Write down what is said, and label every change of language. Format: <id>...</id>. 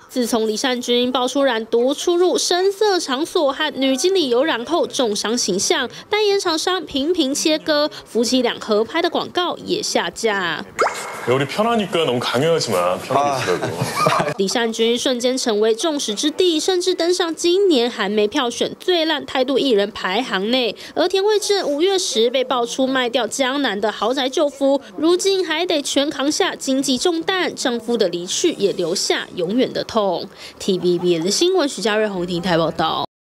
<zh>自从李善均爆出染毒出入深色场所和女经理有染后，重伤形象，代言厂商频频切割，夫妻俩合拍的广告也下架。</zh> <ko>우리편하니까너무강요하지마편하게있으라고</ko> <zh>李善均瞬间成为众矢之的，甚至登上今年韩媒票选最烂态度艺人排行内。而田惠正5月10被爆出卖掉江南的豪宅救夫，如今还得全扛下经济重担，丈夫的离去也留下永远的痛。TVBS 新闻徐嘉瑞、洪婷台报道。</zh>